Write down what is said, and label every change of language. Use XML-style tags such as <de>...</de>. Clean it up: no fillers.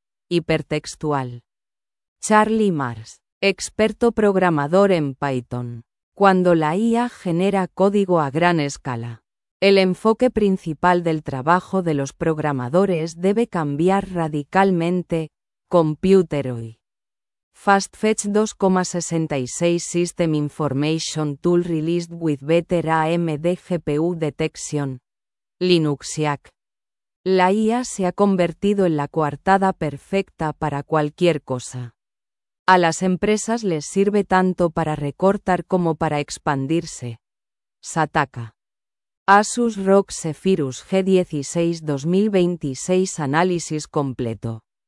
<es>Hipertextual. Charlie Mars, experto programador en Python. Cuando la IA genera código a gran escala, el enfoque principal del trabajo de los programadores debe cambiar radicalmente. Computer hoy.</es> <en>FastFetch 2.66 System Information Tool released with better AMD GPU detection.</en> <es>Linuxiac. La IA se ha convertido en la coartada perfecta para cualquier cosa. A las empresas les sirve tanto para recortar como para expandirse. Sataka. Asus ROG Zephyrus G16 2026 análisis completo.</es>